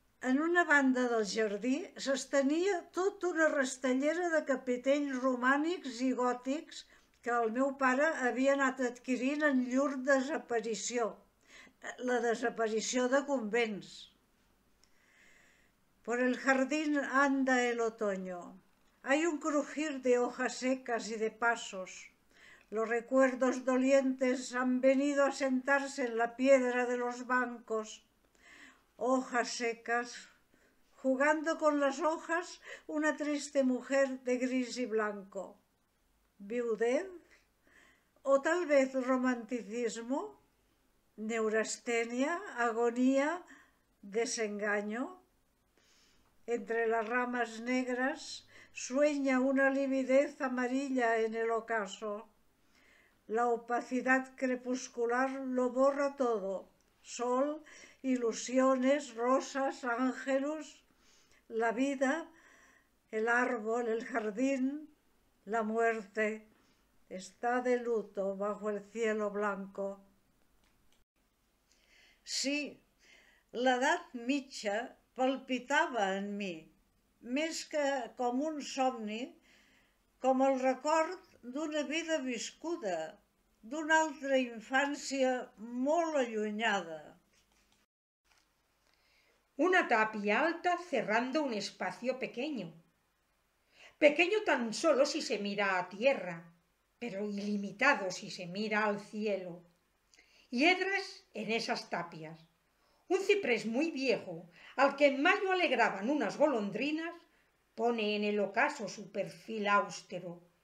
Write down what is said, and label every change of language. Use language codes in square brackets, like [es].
[ca] En una banda del jardí s'estenia tota una rastellera de capitells romànics i gòtics que el meu pare havia anat adquirint en llur desaparició, la desaparició de convents. [es] Por el jardín anda el otoño. Hay un crujir de hojas secas y de pasos. Los recuerdos dolientes han venido a sentarse en la piedra de los bancos. Hojas secas, jugando con las hojas una triste mujer de gris y blanco. ¿Viudez? ¿O tal vez romanticismo? ¿Neurastenia? ¿Agonía? ¿Desengaño? Entre las ramas negras sueña una lividez amarilla en el ocaso. La opacidad crepuscular lo borra todo. Sol, ilusiones, rosas, ángeles, la vida, el árbol, el jardín, la muerte. Está de luto bajo el cielo blanco. [ca] Sí, la edad mitja palpitaba en mí, més que com un somni, com el record d'una vida viscuda, d'una altra infància molt allunyada. [es] Una tapia alta cerrando un espacio pequeño. Pequeño tan solo si se mira a tierra, pero ilimitado si se mira al cielo. Hiedras en esas tapias. Un ciprés muy viejo, al que en mayo alegraban unas golondrinas, pone en el ocaso su perfil austero.